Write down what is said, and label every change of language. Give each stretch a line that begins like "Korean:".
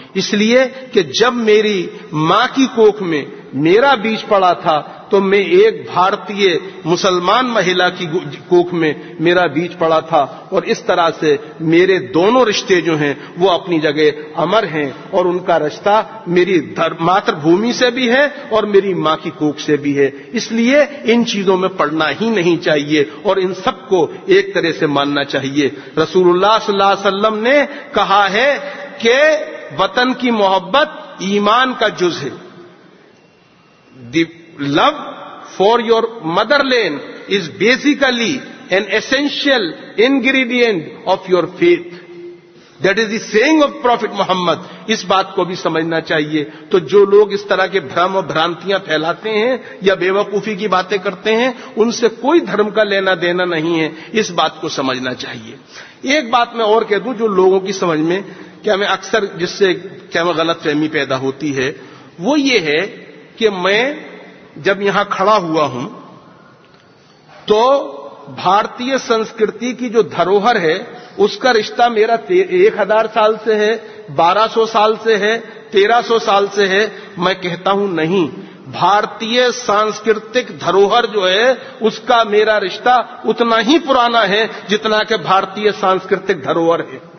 Urdu: اس لیے کہ جب میری ماں کی کوکھ میں میرا بیج پڑا تھا تو میں ایک بھارتیہ مسلمان مہیلا کی کوکھ میں میرا بیج پڑا تھا, اور اس طرح سے میرے دونوں رشتے جو ہیں وہ اپنی جگہ امر ہیں, اور ان کا رشتہ میری ماتر بھومی سے بھی ہے اور میری ماں کی کوکھ سے بھی ہے. اس لیے ان چیزوں میں پڑنا ہی نہیں چاہیے اور ان سب کو ایک طرح سے ماننا چاہیے. رسول اللہ صلی اللہ علیہ وسلم نے کہا ہے کہ وطن کی محبت ایمان کا جز ہے.
English: Love for your motherland is basically an essential ingredient of your faith. That is the saying of Prophet Muhammad.
Urdu: اس بات کو بھی سمجھنا چاہیے. تو جو لوگ اس طرح کے بھرم اور بھرانتیاں پھیلاتے ہیں یا بیوقوفی کی باتیں کرتے ہیں, ان سے کوئی دھرم کا لینا دینا نہیں ہے, اس بات کو سمجھنا چاہیے. ایک بات میں اور کہہ دوں جو لوگوں کی سمجھ میں کہ ہمیں اکثر جس سے کیا میں غلط فہمی پیدا ہوتی ہے وہ یہ ہے کہ میں جب یہاں کھڑا ہوا ہوں تو بھارتیہ سنسکرتی کی جو دھروہر ہے اس کا رشتہ میرا 1000 سال سے ہے، 1200 سال سے ہے، 1300 سال سے ہے، میں کہتا ہوں نہیں، بھارتیہ سانسکرتک دھروہر جو ہے اس کا میرا رشتہ اتنا ہی پرانا ہے جتنا کہ بھارتیہ سانسکرتک دھروہر ہے،